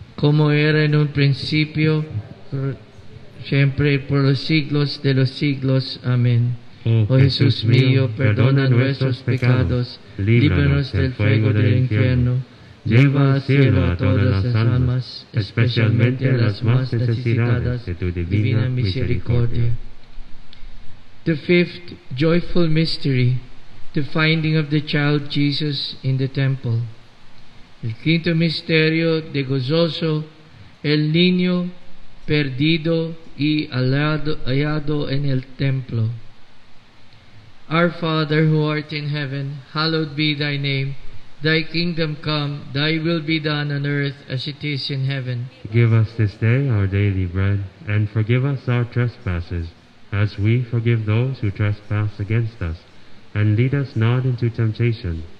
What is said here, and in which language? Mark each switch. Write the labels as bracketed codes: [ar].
[es] Como era en un principio, siempre y por los siglos de los siglos. Amén. Oh Jesús mío, perdona nuestros pecados, líbranos del fuego del infierno. Lleva al cielo a todas las almas, especialmente a las más necesitadas de tu divina misericordia. [en] The fifth joyful mystery, the finding of the child Jesus in the temple. [es] El quinto misterio de gozoso, el niño perdido y hallado en el templo. [en] Our Father who art in heaven, hallowed be thy name. Thy kingdom come, thy will be done on earth as it is in heaven. Give us this day our daily bread, and forgive us our trespasses, as we forgive those who trespass against us. And lead us not into temptation,